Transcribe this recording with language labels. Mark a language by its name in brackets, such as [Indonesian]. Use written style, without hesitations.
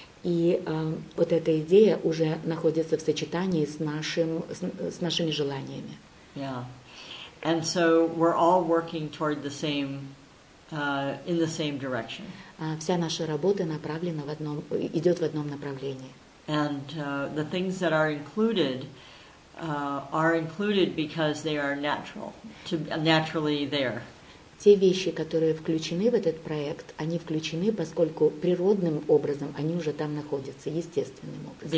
[Russian] И вот эта идея уже находится в сочетании с нашими желаниями. [English] Yeah. And so we're all working toward the same in the same direction. [Russian] Вся наша работа направлена идет в одном направлении. [English] And the things that are included because they are naturally there. [Russian] Те вещи, которые включены в этот проект, они включены, поскольку природным образом они уже там находятся, естественным образом.